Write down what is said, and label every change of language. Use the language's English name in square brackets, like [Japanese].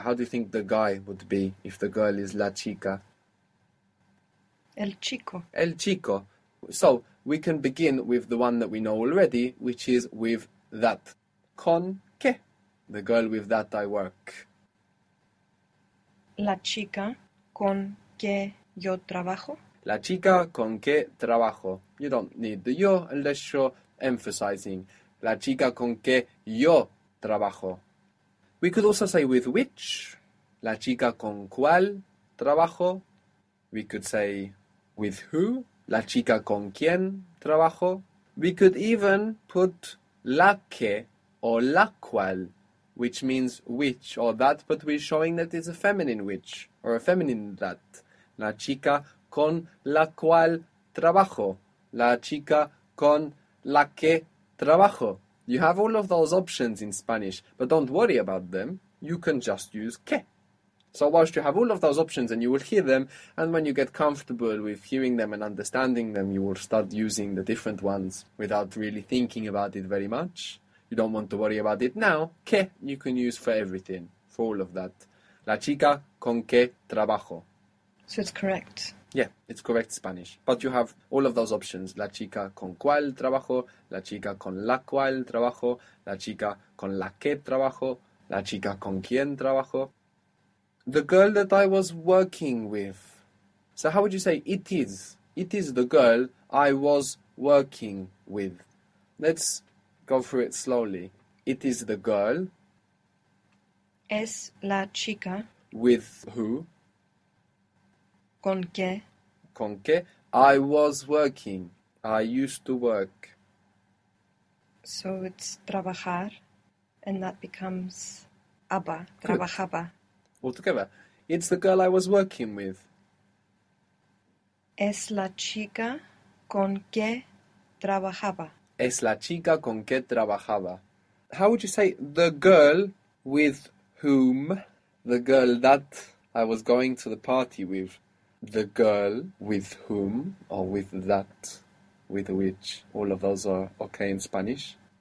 [English] How do you think the guy would be if the girl is [Spanish] la chica? El chico. El chico. [English] So, we can begin with the one that we know already, which is with that. [Spanish] Con qué? [English] The girl with that I work. [Spanish] La chica con que yo trabajo. La chica con qué trabajo. [English] You don't need the yo unless you're emphasizing. [Spanish] La chica con qué yo trabajo. [English] We could also say with which. [Spanish] La chica con cuál trabajo. [English] We could say with who. [Spanish] La chica con quién trabajo. [English] We could even put laque or laqual, which means witch or that, but we're showing that it's a feminine witch or a feminine that. [Spanish] La chica con la cual trabajo. La chica con la que trabajo. [English] You have all of those options in Spanish, but don't worry about them. You can just use que. So whilst you have all of those options and you will hear them, and when you get comfortable with hearing them and understanding them, you will start using the different ones without really thinking about it very much. You don't want to worry about it now. Que you can use for everything, for all of that. [Spanish] La chica con que trabajo. [English] So it's correct. Yeah, it's correct Spanish. But you have all of those options. [Spanish] La chica con cual trabajo, la chica con la cual trabajo, la chica con la que trabajo, la chica con quien trabajo. [English] The girl that I was working with. So how would you say it is? It is the girl I was working with. Let's go through it slowly. It is the girl [Spanish] Es la chica. [English] with who? [Spanish] ¿Con qué? Con qué [English] I was working. I used to work. So it's trabajar, and that becomes aba, Good. [Spanish] trabajaba. [English] Altogether, it's the girl I was working with. [Spanish] Es la chica con qué trabajaba. Es la chica con que trabajaba. [English] How would you say the girl with whom? The girl that I was going to the party with. The girl with whom? Or with that? With which? All of those are okay in Spanish.